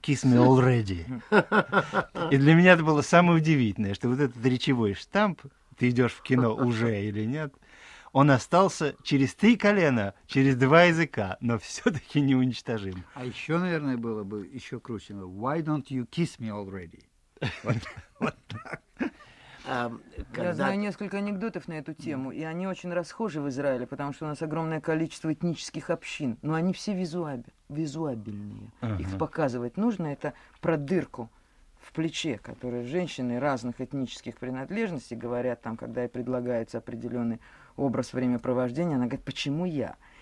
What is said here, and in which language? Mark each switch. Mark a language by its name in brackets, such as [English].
[English] Kiss me already. [Russian] И для меня это было самое удивительное, что вот этот речевой штамп, ты идешь в кино уже или нет, он остался через три колена, через два языка, но все-таки неуничтожим. А еще, наверное, было бы еще круче. [English] Why don't you kiss me already? [Russian] Я знаю несколько анекдотов на эту тему, и они очень расхожи в Израиле, потому что у нас огромное количество этнических общин, но они все визуабельные. Их показывать нужно, это про дырку в плече, которую женщины разных этнических принадлежностей говорят, там, когда ей предлагается определенный образ времяпровождения, она говорит, почему я?